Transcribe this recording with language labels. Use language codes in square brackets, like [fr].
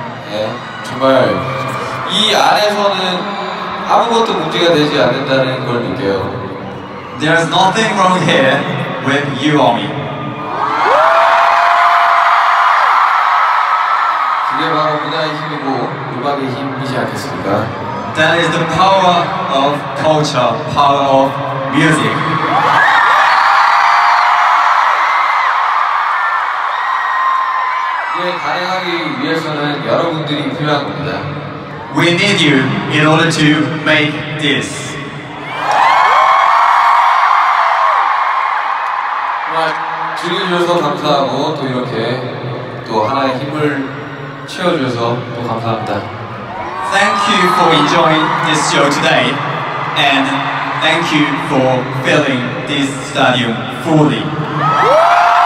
[ko] 예, 정말 이 안에서는 아무것도 문제가 되지 않는다는 걸 느껴요. [en] There's nothing wrong here with you or me. [ko] 그게 바로 문화의 힘이고 음악의 힘이지 않겠습니까? [en] That is the power of culture, power of music. [ko] 가능하기 위해서는 여러분들이 필요한 겁니다. [en] We need you in order to make this. Right. [ko] 즐겨주셔서 감사하고 또 이렇게 또 하나의 힘을 채워주셔서 또 감사합니다. [en] Thank you for enjoying this show today and thank you for filling this stadium fully.